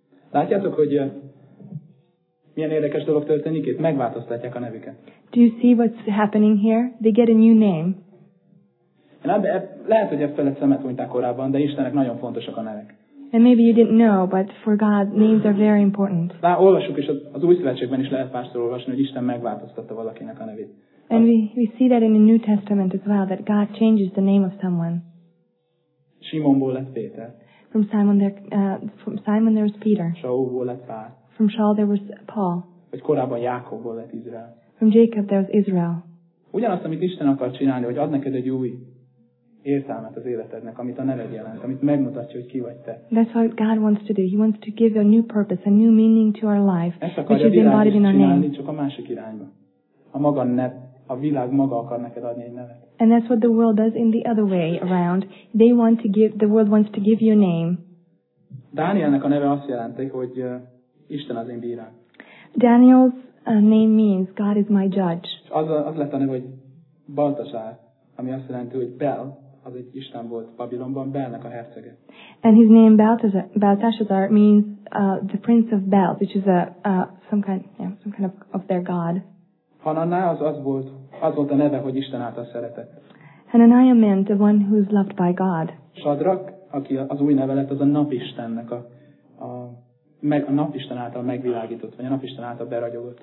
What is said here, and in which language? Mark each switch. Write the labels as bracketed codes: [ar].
[hu] Látjátok, hogy milyen érdekes dolog történik itt? Megváltoztatják a nevüket. [en] Do you see what's happening here? They get a new name. [hu] Lehet, hogy ebben szemet hunytak korábban, de Istennek nagyon fontosak a nevek. [en] And maybe you didn't know, but for God, names are very important. [hu] Na, olvasjuk is az Új Szövetségben is lehet párszor olvasni, hogy Isten megváltoztatta valakinek a nevét. [en] And we see that in the New Testament as well, that God changes the name of someone. [hu] Simonból lett Péter. [en] From Simon there was Peter. [hu] Saulból lett Pál. [en] From Saul there was Paul. [hu] Vagy korábban Jákobból lett Izrael. [en] From Jacob there was Israel. [hu] Ugyanazt, amit Isten akar csinálni, hogy ad neked egy új értelmet az életednek, amit a neved jelent, amit megmutatja, hogy ki vagy te. [en] That's what God wants to do. He wants to give a new purpose, a new meaning to our life, which is embodied in our name. [hu] Ezt akarja csak a másik irányba. A maga nev, a világ maga akar neked adni egy nevet. [en] And that's what the world does in the other way around. The world wants to give you a name. [hu] Dánielnek a neve azt jelenti, hogy Isten az én bírám. [en] Daniel's name means God is my judge. [hu] Az lett a neve, hogy Baltasár, ami azt jelenti, hogy Bel, az egy Isten volt Babilonban, Belnek a hercege. [en] And his name Belteshazzar means the prince of Bel, which is some kind of their god. [hu] Hananá az volt a neve, hogy Isten által szeretett. [en] Hananiah meant the one who is loved by God. [hu] Sadrak, aki az új neve lett, az a napistennek a napisten által megvilágított, vagy a napisten által beragyogott.